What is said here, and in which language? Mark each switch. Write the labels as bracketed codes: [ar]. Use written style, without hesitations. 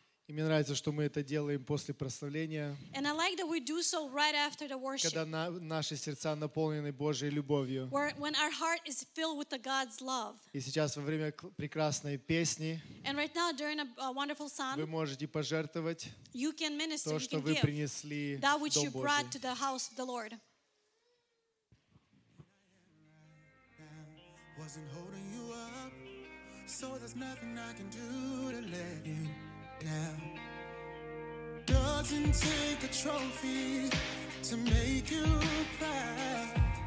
[ru] И мне нравится, что мы это делаем после прославления. [en] And I like that we do so right after the worship. [ru] Когда наши сердца наполнены Божьей любовью. [en] When our heart is filled with the God's love. [ru] И сейчас во время прекрасной песни. [en] And right now during a wonderful song. [ru] Вы можете пожертвовать. [en] You can minister. [ru] То, что вы принесли в дом Божий. [en] That which you brought to the house of the Lord. Wasn't holding you up, so there's nothing I can do to let you. Now, doesn't take a trophy to make you proud.